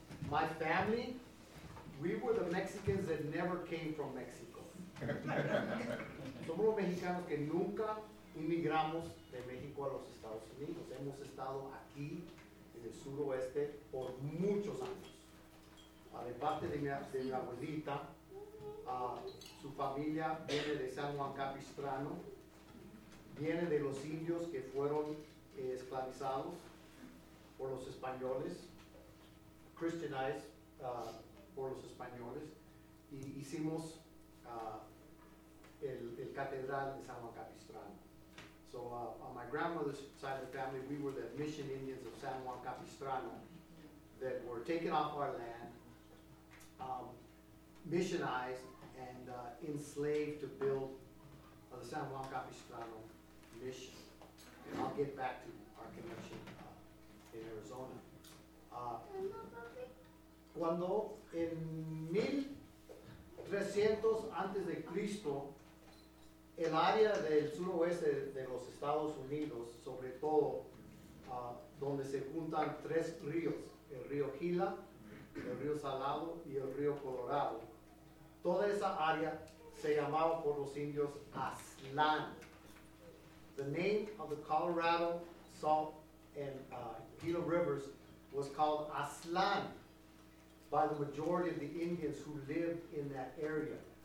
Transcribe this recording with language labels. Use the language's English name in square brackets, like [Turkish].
[English] My family, we were the Mexicans that never came from Mexico. [Spanish] Somos los mexicanos que nunca inmigramos de México a los Estados Unidos. Hemos estado aquí en el suroeste por muchos años. De parte de mi abuelita, su familia viene de San Juan Capistrano, viene de los indios que fueron esclavizados por los españoles, [English] Christianized [Spanish] por los españoles, y hicimos el catedral de San Juan Capistrano. [English] So on my grandmother's side of the family, we were the Mission Indians of San Juan Capistrano that were taken off our land, missionized, and enslaved to build the San Juan Capistrano Mission. And I'll get back to our connection in Arizona. [Spanish] Cuando en 1300 antes de Cristo, el área del suroeste de los Estados Unidos, sobre todo donde se juntan tres ríos, el río Gila, el río Salado y el río Colorado, toda esa área se llamaba por los indios Aztlán. [English] The name of the Colorado, Salt, and Gila rivers was called Aztlán by the majority of the Indians who lived in that area.